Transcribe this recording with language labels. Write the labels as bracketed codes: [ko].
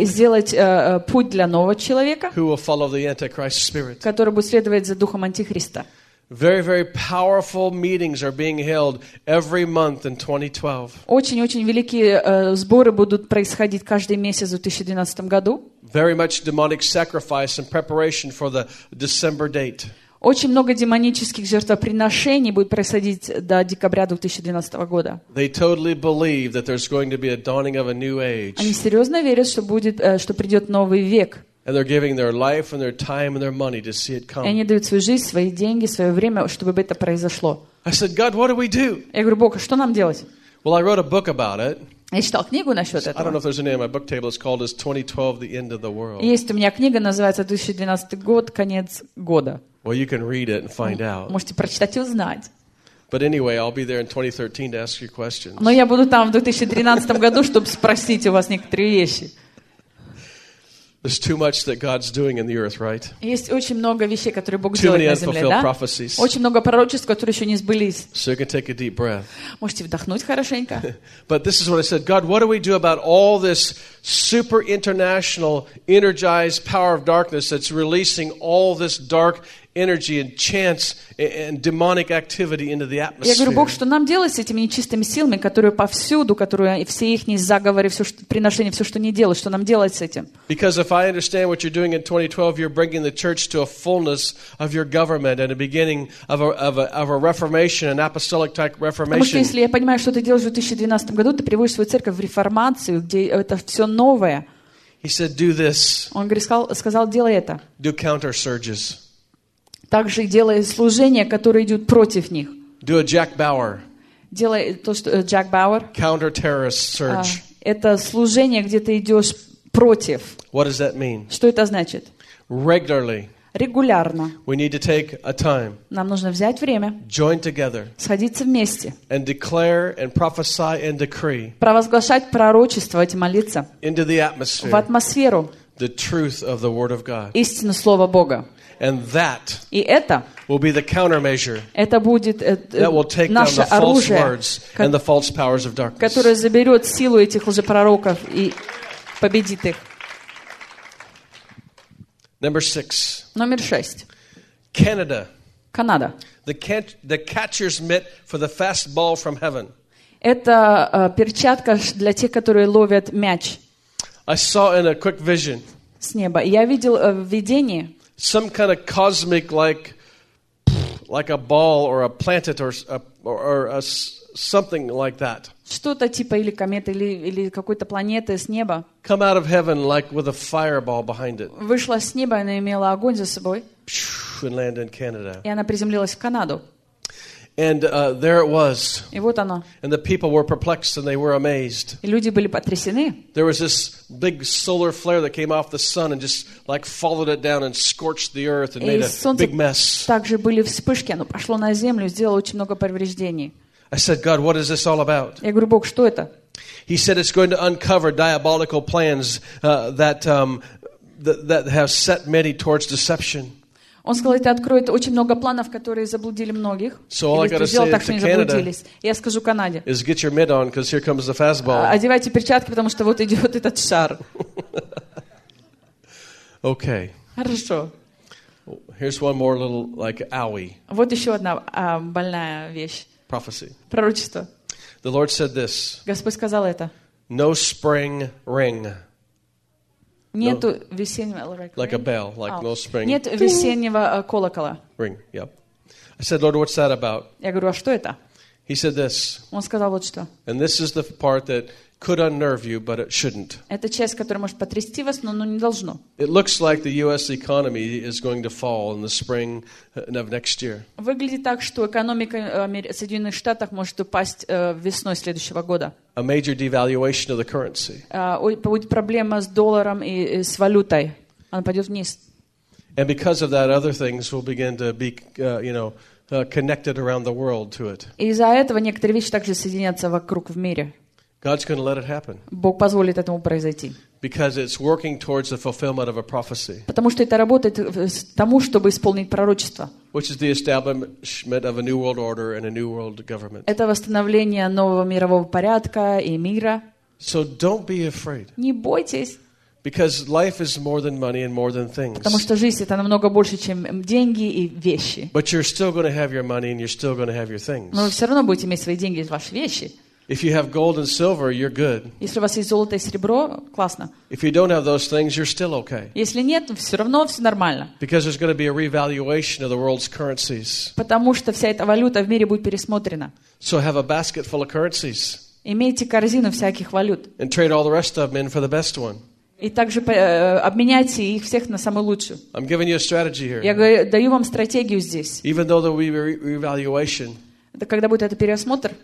[ru] и сделать путь для нового человека, [en] who will follow the Antichrist spirit. [ru] Который будет следовать за духом Антихриста. [en] Very, very powerful meetings are being held every month in 2012. [ru] Очень-очень великие сборы будут происходить каждый месяц в 2012 году. [en] Very much demonic sacrifice in preparation for the December date. [ru] Очень много демонических жертвоприношений будет происходить до декабря 2012 года. Они серьезно верят, что придет новый век. И они дают свою жизнь, свои деньги, свое время, чтобы это произошло. Я говорю, Бог, а что нам делать? [en] Well, I wrote a book about it. [ru] Я читал книгу насчет этого. [en] I don't know if there's a name on my book table. It's called "Is 2012 the End of the World?" [ru] Есть у меня книга, называется "2012 год, конец года". [en] Well, you can read it and find out. [ru] Можете прочитать и узнать. [en] But anyway, I'll be there in 2013 to ask you questions. [ru] Но я буду там в 2013 году, чтобы спросить у вас некоторые вещи. [en] There's too much that God's doing in the earth, right? [ru] Есть очень много вещей, которые Бог делает на земле, да? [en] Too many unfulfilled prophecies. [ru] Очень много пророчеств, которые еще не сбылись. [en] So you can take a deep breath. [ru] Можете вдохнуть хорошенько. [en] But this is what I said, God, what do we do about all this super international energized power of darkness that's releasing all this dark energy and chance and demonic activity into the atmosphere? [ru] Я говорю, Бог, что нам делать с этими нечистыми силами, которые повсюду, которые и все их заговоры, все приношения, все, что не делают, что нам делать с этим? [en] Because if I understand what you're doing in 2012, you're bringing the church to a fullness of your government and a beginning of a reformation, an apostolic type reformation. [ru] Потому что если я понимаю, что ты делаешь в 2012 году, ты приводишь свою церковь в реформацию, где это все новое. [en] He said, "Do this." [ru] Он сказал, делай это. [en] Do counter surges. [ru] Также делай служение, которое идет против них. [en] Do a Jack Bauer. [ru] Делай то, что Jack Bauer. [en] Counter terrorist surge. [ru] Это служение, где ты идешь против. [en] What does that mean? [ru] Что это значит? [en] Regularly. [ru] Регулярно. [en] We need to take a time. [ru] Нам нужно взять время. [en] Join together. [ru] Сходиться вместе. [en] And declare and prophesy and decree. [ru] Провозглашать пророчество и молиться. [en] Into the atmosphere. [ru] В атмосферу. [en] The truth of the word of God. [ru] Истину слова Бога. [en] And that [ru] это, [en] will be the countermeasure. [ru] Это будет [en] that will take down the false words and the false powers of darkness. [ru] Которое заберет силу этих лжепророков и победит их. [en] Number 6. [ru] Номер 6. [en] Canada. [ru] Канада. [en] The catcher's mitt for the fast ball from heaven. [ru] Это перчатка для тех, которые ловят мяч. [en] I saw in a quick vision. [ru] С неба. Я видел в видении. [en] Some kind of cosmic like a ball or a planet or a something like that. [ru] Что-то типа или комета или какой-то планеты с неба. [en] Come out of heaven like with a fireball behind it. [ru] Вышла с неба, она имела огонь за собой. [en] And landed in Canada. [ru] И она приземлилась в Канаду. [en] And there it was. [ru] И вот оно. [en] And the people were perplexed and they were amazed. [ru] И люди были потрясены. [en] There was this big solar flare that came off the sun and just like followed it down and scorched the earth and made a big mess. [ru] Также были вспышки, оно пошло на землю, сделало очень много повреждений. [en] I said, God, what is this all about? [ru] Я говорю, Бог, что это? [en] He said it's going to uncover diabolical plans that have set many towards deception. [ru] Он сказал, это откроет очень много планов, которые заблудили многих. [en] So all I gotta say [ru] так, [en] to Canada, [ru] я скажу Канаде. [en] Is get your mitt on, because here comes the fastball. [ru] Одевайте перчатки, потому что вот идет этот шар. [en] Okay. [ru] Хорошо. [en] Here's one more little like owie. [ru] Вот еще одна больная вещь. [en] Prophecy. [ru] Пророчество. [en] The Lord said this. [ru] Господь сказал это. [en] No spring ring. [ru] Нету весеннего колокола. [en] Like a bell, like no spring. [ru] Нет весеннего колокола. [en] Ring, yep. I said, Lord, what's that about? [ru] Я говорю, а что это? [en] He said this. [ru] Он сказал вот что. [en] And this is the part that could unnerve you, but it shouldn't. [ru] Это часть, которая может потрясти вас, но не должно. [en] It looks like the U.S. economy is going to fall in the spring of next year. [ru] Выглядит так, что экономика Соединенных Штатов может упасть весной следующего года. [en] A major devaluation of the currency. [ru] Будет проблема с долларом и с валютой. Она пойдет вниз. [en] And because of that, other things will begin to be, connected around the world to it. [ru] Из-за этого некоторые вещи также соединятся вокруг в мире. [en] God's going to let it happen. [ru] Бог позволит этому произойти. [en] Because it's working towards the fulfillment of a prophecy. [ru] Потому что это работает тому, чтобы исполнить пророчество. [en] Which is the establishment of a new world order and a new world government. [ru] Это восстановление нового мирового порядка и мира. [en] So don't be afraid. [ru] Не бойтесь. [en] Because life is more than money and more than things. [ru] Потому что жизнь это намного больше, чем деньги и вещи. [en] But you're still going to have your money and you're still going to have your things. [ru] Но вы все равно будете иметь свои деньги и ваши вещи. [en] If you have gold and silver, you're good. [ru] Если у вас есть золото и серебро, классно. [en] If you don't have those things, you're still okay. [ru] Если нет, все равно все нормально. [en] Because there's going to be a revaluation of the world's currencies. [ru] Потому что вся эта валюта в мире будет пересмотрена. [en] So have a basket full of currencies. [ru] Имейте корзину всяких валют. [en] And trade all the rest of them in for the best one. [ru] И также обменяйте их всех на самую лучшую. [en] I'm giving you a strategy here. [ru] Я даю вам стратегию здесь. [en] Even though there will be revaluation. [ru] Когда будет этот переосмотр?